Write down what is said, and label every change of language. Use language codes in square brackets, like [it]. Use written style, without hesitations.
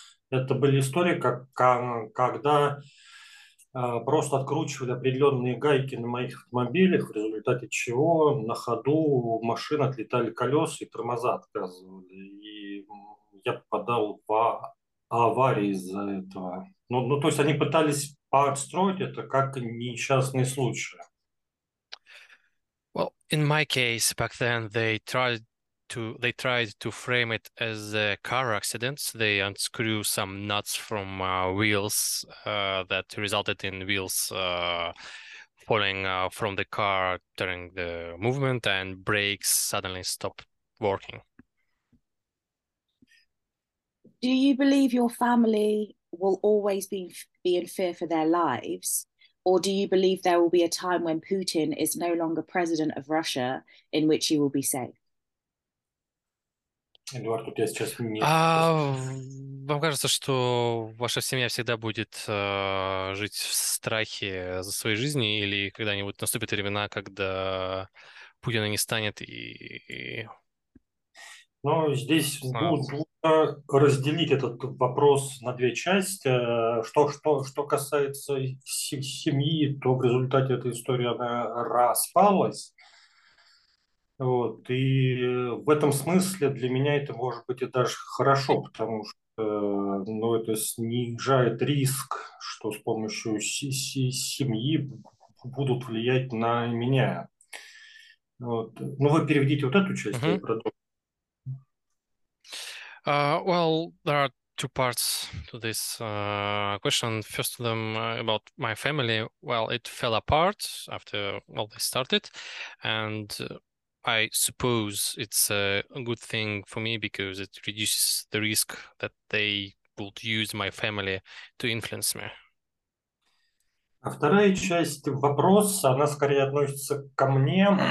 [ru] Это были истории, когда просто откручивали определенные гайки на моих автомобилях, в результате чего на ходу у машин отлетали колеса и тормоза отказывали. И я попадал в аварии из-за этого. Ну, то есть они пытались подстроить это как несчастный случай. [en] Well, in my case, back then they tried to frame it as a car accident. They unscrew some nuts from wheels that resulted in wheels falling from the car during the movement, and brakes suddenly stopped working. Do you believe your family will always be in fear for their lives? Or do you believe there will be a time when Putin is no longer president of Russia in which you will be safe? [ru] Эдуард, тут я сейчас не... Вам кажется, что ваша семья всегда будет жить в страхе за свою жизнь, или когда-нибудь наступят времена, когда Путина не станет и... Ну, здесь нужно разделить этот вопрос на две части. Что касается семьи, то в результате этой истории она распалась. Вот. И в этом смысле для меня это может быть и даже хорошо, потому что ну, это снижает риск, что с помощью семьи будут влиять на меня. Вот. Ну, вы переведите вот эту часть, я продолжу. [en] Well, there are two parts to this question. First of them about my family. Well, it fell apart after all this started, and I suppose it's a good thing for me because it reduces the risk that they would use my family to influence me. [ru] А вторая часть вопроса, она скорее относится ко мне.